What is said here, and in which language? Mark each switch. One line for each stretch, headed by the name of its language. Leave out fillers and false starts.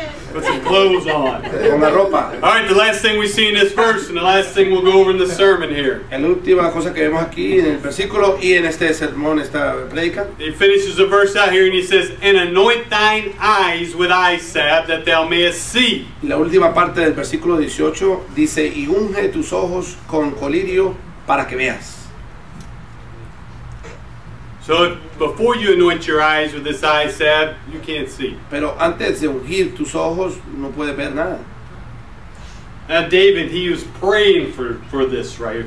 English: Put some clothes on. All right, the last thing we see in this verse, and the last thing we'll go over in the sermon here.
Spanish: La última cosa que vemos aquí en el versículo y en este sermón, esta predica.
English: He finishes the verse out here, and he says, "And anoint thine eyes with eye salve that thou mayest see."
Spanish: La última parte del versículo 18 dice, "Y unge tus ojos con colirio para que veas."
English: So before you anoint your eyes with this eye salve, you can't see.
Spanish: Pero antes de ungir tus ojos, no puede ver nada.
English: Now David, he was praying for this, right?